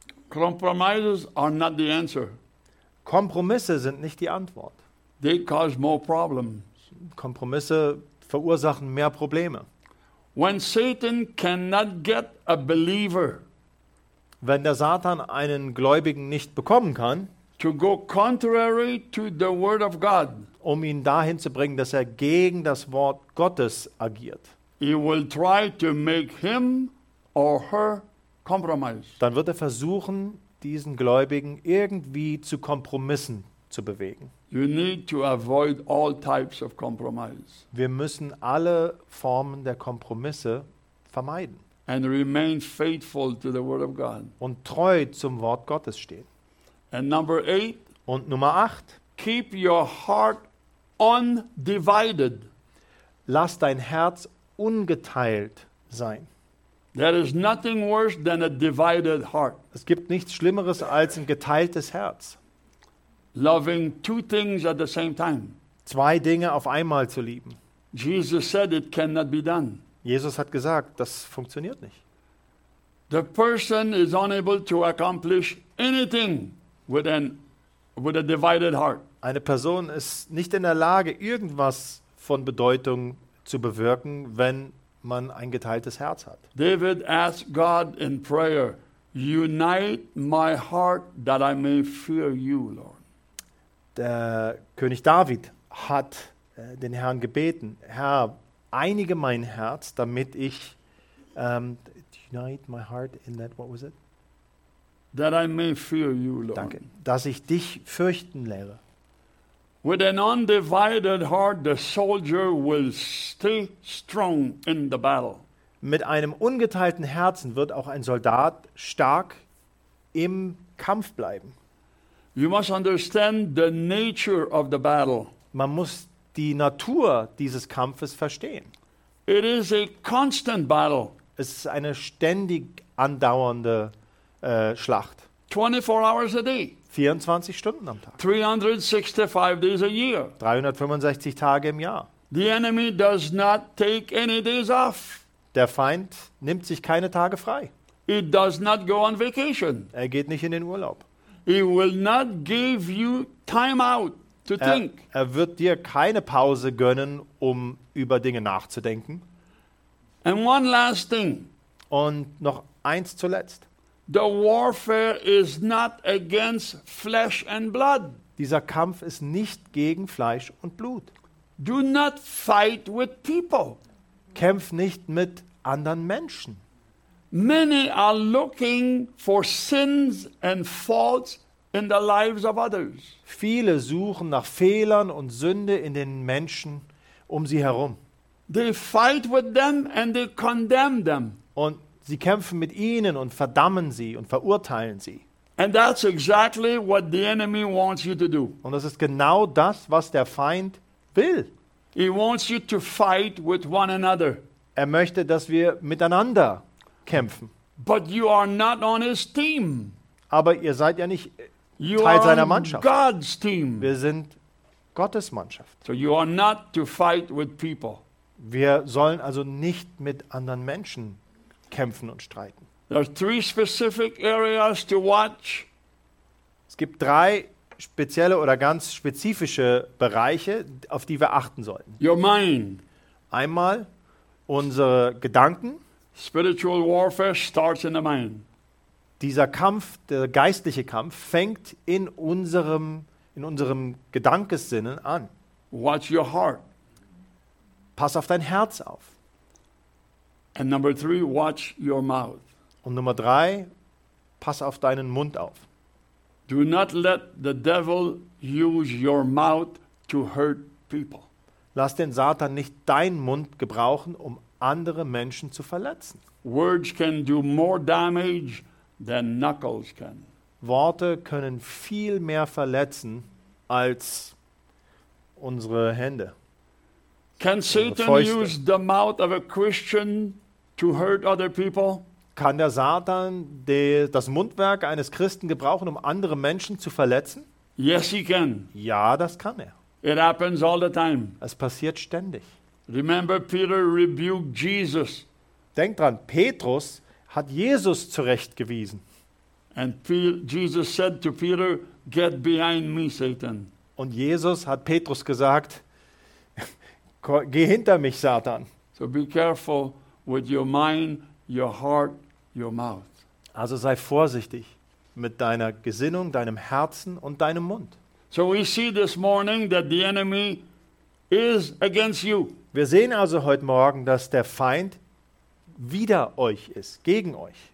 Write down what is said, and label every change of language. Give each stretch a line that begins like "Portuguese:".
English: Compromises are not the answer.
German: Kompromisse sind nicht die Antwort.
English: They cause more problems.
German: Kompromisse verursachen mehr Probleme.
English: When Satan cannot get a believer,
German: wenn der Satan einen Gläubigen nicht bekommen kann,
English: to go contrary to the word of God,
German: um ihn dahin zu bringen, dass er gegen das Wort Gottes agiert,
English: he will try to make him or her compromise.
German: Dann wird er versuchen, diesen Gläubigen irgendwie zu Kompromissen zu bewegen.
English: You need to avoid all types of compromise.
German: Wir müssen alle Formen der Kompromisse vermeiden.
English: And remain faithful to the word of God.
German: Und treu zum Wort Gottes stehen.
English: And number 8.
German: Und Nummer 8.
English: Keep your heart undivided.
German: Lass dein Herz ungeteilt sein.
English: There is nothing worse than a divided heart.
German: Es gibt nichts Schlimmeres als ein geteiltes Herz.
English: Loving two things at the same time.
German: Zwei Dinge auf einmal zu lieben.
English: Jesus said it cannot be done.
German: Jesus hat gesagt, das funktioniert nicht.
English: The person is unable to accomplish anything with a divided heart.
German: Eine Person ist nicht in der Lage, irgendwas von Bedeutung zu bewirken, wenn man ein geteiltes Herz hat.
English: David asked God in prayer, unite my heart that I may fear you, Lord.
German: Der König David hat den Herrn gebeten, Herr, einige mein Herz, damit ich
English: unite my heart in that, what was it? That I may fear you, Lord.
German: Danke. Dass ich dich fürchten lehre.
English: With an undivided heart, the soldier will stay strong in the battle.
German: Mit einem ungeteilten Herzen wird auch ein Soldat stark im Kampf bleiben.
English: You must understand the nature of the battle.
German: Man muss die Natur dieses Kampfes verstehen.
English: It is a constant battle.
German: Es ist eine ständig andauernde Schlacht.
English: 24 hours a day.
German: 24 Stunden am Tag.
English: 365 days a year.
German: 365 Tage im Jahr.
English: The enemy does not take any days off.
German: Der Feind nimmt sich keine Tage frei.
English: He does not go on vacation.
German: Er geht nicht in den Urlaub.
English: He will not give you time out to think.
German: Er wird dir keine Pause gönnen, um über Dinge nachzudenken.
English: And one last thing.
German: Und noch eins zuletzt.
English: The warfare is not against flesh and blood.
German: Dieser Kampf ist nicht gegen Fleisch und Blut.
English: Do not fight with people.
German: Kämpf nicht mit anderen Menschen.
English: Many are looking for sins and faults in the lives of others.
German: Viele suchen nach Fehlern und Sünde in den Menschen um sie herum.
English: They fight with them and they condemn them.
German: Und sie kämpfen mit ihnen und verdammen sie und verurteilen sie.
English: And that's exactly what the enemy wants you to do.
German: Und das ist genau das, was der Feind will.
English: He wants you to fight with one another.
German: Er möchte, dass wir miteinander kämpfen.
English: But you are not on his team.
German: Aber ihr seid ja nicht Teil seiner Mannschaft.
English: You are God's team.
German: Wir sind Gottes Mannschaft.
English: So you are not to fight with people.
German: Wir sollen also nicht mit anderen Menschen kämpfen und streiten.
English: There are three specific areas to watch.
German: Es gibt drei spezielle oder ganz spezifische Bereiche, auf die wir achten sollten.
English: Your mind.
German: Einmal unsere Gedanken.
English: Spiritual warfare starts in the mind.
German: Dieser Kampf, der geistliche Kampf, fängt in unserem Gedankensinnen an.
English: Watch your heart.
German: Pass auf dein Herz auf.
English: And number three, watch your mouth.
German: Und Nummer drei, pass auf deinen Mund auf.
English: Do not let the devil use your mouth to hurt people.
German: Lass den Satan nicht deinen Mund gebrauchen, um andere Menschen zu verletzen.
English: Words can do more damage than knuckles can.
German: Worte können viel mehr verletzen als unsere Hände.
English: Can Satan use the mouth of a Christian to hurt other people?
German: Kann der Satan das Mundwerk eines Christen gebrauchen, um andere Menschen zu verletzen?
English: Yes, he can.
German: Ja, das kann er.
English: It happens all the time.
German: Es passiert ständig.
English: Remember, Peter rebuked Jesus.
German: Denk dran, Petrus hat Jesus zurechtgewiesen.
English: And Jesus said to Peter, "Get behind me, Satan."
German: Und Jesus hat Petrus gesagt, geh hinter mich, Satan.
English: So be careful with your mind, your heart, your mouth.
German: Also sei vorsichtig mit deiner Gesinnung, deinem Herzen und deinem Mund.
English: So we see this morning that the enemy is against you.
German: Wir sehen also heute Morgen, dass der Feind wider euch ist, gegen euch.